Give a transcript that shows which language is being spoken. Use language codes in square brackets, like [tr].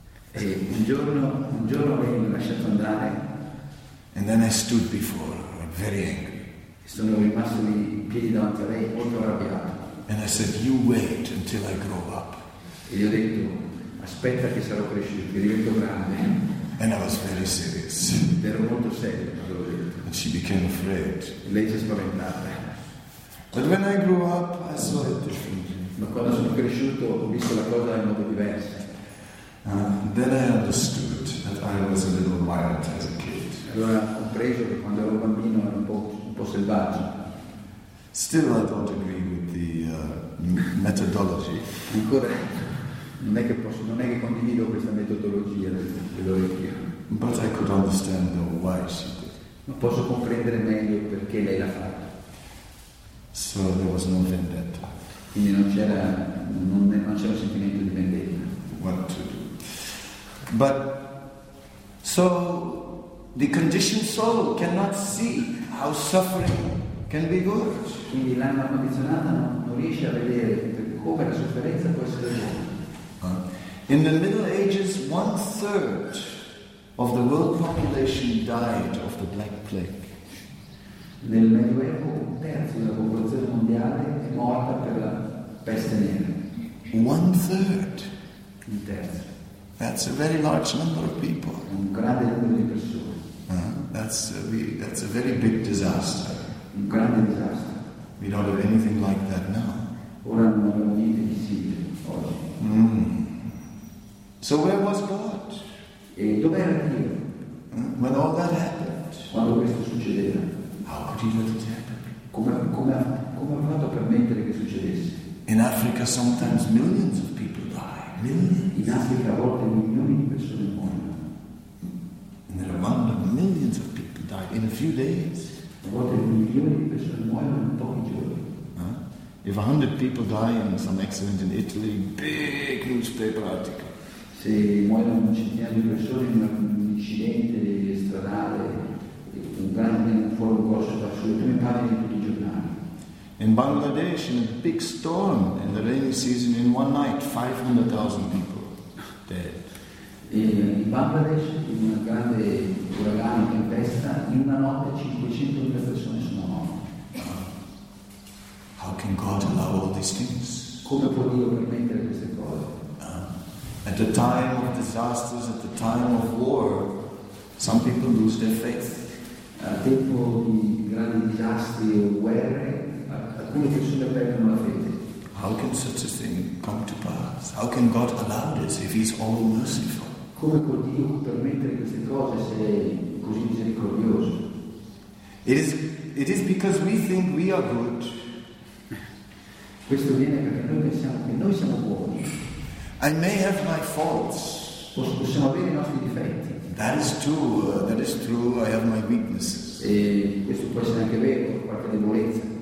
[it] E un giorno lei mi ha lasciato andare. [en] And then I stood before her, very angry. [it] Sono rimasto lì in piedi davanti a lei, molto arrabbiato. [en] And I said, "You wait until I grow up." [it] E gli ho detto, aspetta che sarò cresciuto, che divento grande. [en] And I was very serious. [it] Ero molto serio, l'ho detto. [en] And she became afraid. [it] E lei si è spaventata. [en] But when I grew up, I saw it differently. [it] Ma quando sono cresciuto ho visto la cosa in modo diverso. [en] Then I understood that I was a little wild as a kid. [it] Allora ho preso che quando ero bambino ero un po' selvaggio. [en] Still I don't agree with the methodology. [it] Ancora non è che condivido questa metodologia dell'orecchio. [en] But I could understand why she did. [it] Ma posso comprendere meglio perché lei l'ha fatto. [en] So there was no vendetta. [it] Quindi non c'era sentimento di vendetta. [en] What to do? But so the conditioned soul cannot see how suffering can be good. [it] Quindi l'anima condizionata non riesce a vedere come la sofferenza può essere buona. [en] In the Middle Ages, 1/3 of the world population died of the Black Plague. [it] Nel Medioevo, 1/3 della popolazione mondiale è morta per la peste nera. [en] 1/3. [it] 1/3. [en] That's a very large number of people. [it] Un grande numero di persone. [en] That's a very big disaster. [it] Un grande disastro. [en] We don't have anything like that now. [it] Ora non abbiamo niente di simile oggi. [en] So where was God? [it] E dove era Dio? [en] When all that happened. [it] Quando questo succedeva. [en] How could he let it happen? [it] Come ha fatto a permettere che succedesse? [en] In Africa, sometimes millions of people die. Millions. [it] In Africa, a volte milioni di persone muoiono. [en] And there are millions of people die in a few days. [it] A volte milioni di persone muoiono in pochi giorni. [en] If 100 people die in some accident in Italy, big newspaper article. [it] Se muoiono centinaia di persone in un incidente stradale, un grande forum grosso va sulle prime pagine di tutti i giornali. [en] In Bangladesh, in a big storm in the rainy season, in one night, 500,000 people dead. [it] In Bangladesh, in una grande uragano, tempesta, in una notte 500,000 persone sono morte. [en] How can God allow all these things? [it] Come può Dio permettere queste cose? [en] At the time of disasters, at the time of war, some people lose their faith. [it] A tempo di grandi disastri o guerre, alcune persone perdono la fede. [en] How can such a thing come to pass? How can God allow this if He's all merciful? [it] Come può Dio permettere queste cose se è così misericordioso? [en] It is because we think we are good. [it] Questo viene perché noi pensiamo che noi siamo buoni. [en] I may have my faults. [it] Possiamo avere i nostri difetti. [en] That is true. I have my weaknesses. [it] E questo può essere anche vero, qualche debolezza.